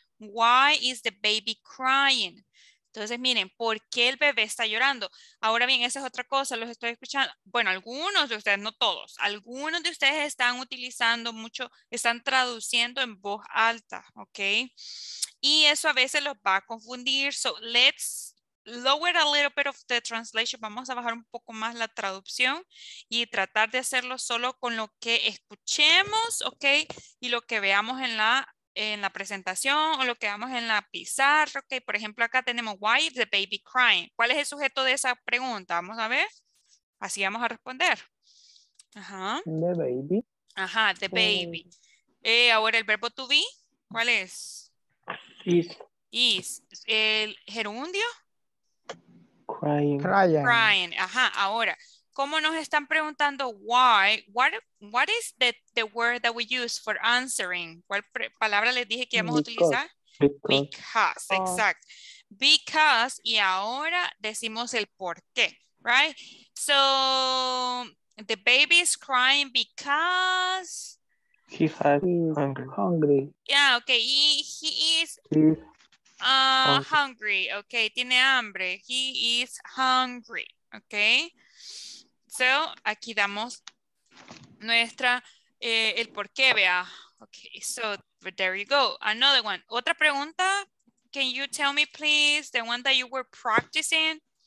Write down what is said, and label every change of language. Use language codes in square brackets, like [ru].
[en] Why is the baby crying? [es] Entonces, miren, ¿por qué el bebé está llorando? Ahora bien, esa es otra cosa, los estoy escuchando. Bueno, algunos de ustedes, no todos, algunos de ustedes están utilizando mucho, están traduciendo en voz alta, ¿ok? Y eso a veces los va a confundir. [en] So, let's lower a little bit of the translation. [es] Vamos a bajar un poco más la traducción y tratar de hacerlo solo con lo que escuchemos, ¿ok? Y lo que veamos en la presentación o lo que vamos en la pizarra, ok, por ejemplo acá tenemos [en] why is the baby crying, [es] ¿cuál es el sujeto de esa pregunta? Vamos a ver, así vamos a responder. Ajá. [en] The baby. [es] Ajá, [en] the baby. [es] Ahora el verbo to be, ¿cuál es? [en] Is. [es] Is. ¿El gerundio? Crying. Crying. Ajá, ahora, ¿cómo nos están preguntando why? [en] What is the word that we use for answering? [es] ¿Cuál palabra les dije que íbamos a utilizar? [en] Because. [es] Exacto. Because, y ahora decimos el por qué, right? [en] So, the baby is crying because... He has hungry. Yeah, okay. He is hungry. Okay, [es] tiene hambre. [en] He is hungry. Okay. [es] So, aquí damos nuestra, el por qué, vea. [en] Okay, so there you go. Another one. [es] Otra pregunta. [en] Can you tell me, please, the one that you were practicing?